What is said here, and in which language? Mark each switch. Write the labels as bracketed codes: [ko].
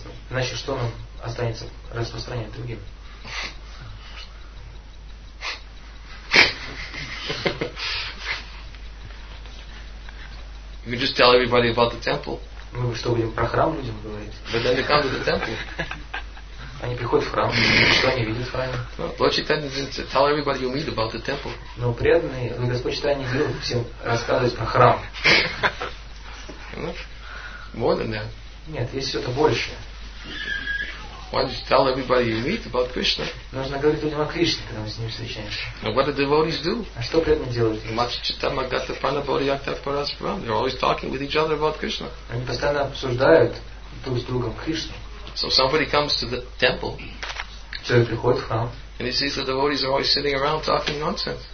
[ru] Иначе что нам останется распространять другим? [en] You just tell everybody about the temple. [ru] Мы что, будем про храм людям говорить? [en] But then they come to the temple. [ru] Они приходят в храм. Что они видят в храме? [en] Lord Chaitanya didn't tell everybody you meet about the temple. [ru] Но преданные, но Господь Чайтанья не любит всем рассказывать про храм. [en] More than that. [ru] Нет, есть что-то большее. [en] Why don't you tell everybody you meet about Krishna? [ru] Нужно говорить людям о Кришне, когда мы с ним встречаемся. [en] And what do devotees do? [ru] А что преданные делают? [sa] Machchitama gata pana bodhi akta paras pram. [en] They're always talking with each other about Krishna. [ru] Они постоянно обсуждают друг с другом Кришну. [en] So somebody comes to the temple. [ru] Человек приходит в храм. [en] And he sees that the devotees are always sitting around talking nonsense.